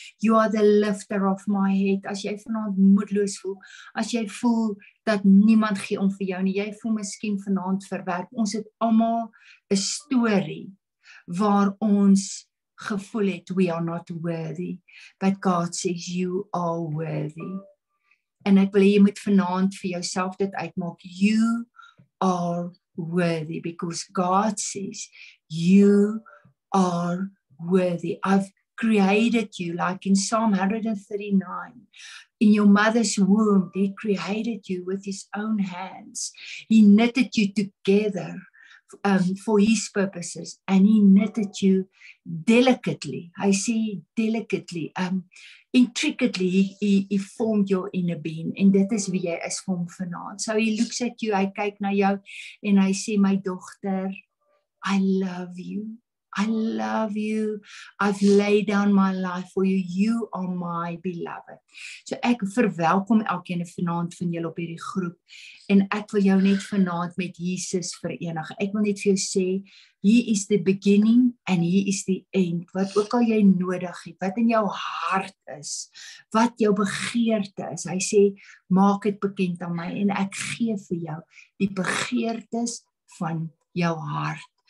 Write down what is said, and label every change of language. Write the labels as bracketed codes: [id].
[en] You are the lifter of my head. [af] As jy vanaand moedeloos voel, as jy voel dat niemand gee om vir jou nie, jy voel miskien vanaand verwerp. Ons het allemaal 'n story waar ons gevoel het, [en] we are not worthy. But God says, you are worthy. [af] En ek wil jy moet vanaand vir jouself dit uitmaak. [en] You are worthy, because God says you are worthy. I've created you, like in Psalm 139, in your mother's womb, He created you with His own hands. He knitted you together for His purposes, and He knitted you delicately. I say delicately, intricately, he formed your inner being, and that is [af] wie jy is vir hom vanaand. [en] So he looks at you, [af] hy kyk na jou, [en] and [af] hy sê, my dogter, [en] I love you. I love you. I've laid down my life for you. You are my beloved. [af] So ek verwelkom elkeen vanaand van julle op hierdie groep, en ek wil jou net vanaand met Jesus verenig. Ek wil net vir jou sê, [en] He is the beginning and He is the end. [af] Wat ook al jy nodig het, wat in jou hart is, wat jou begeerte is, hy sê, maak het bekend aan my en ek gee vir jou die begeertes van jou hart.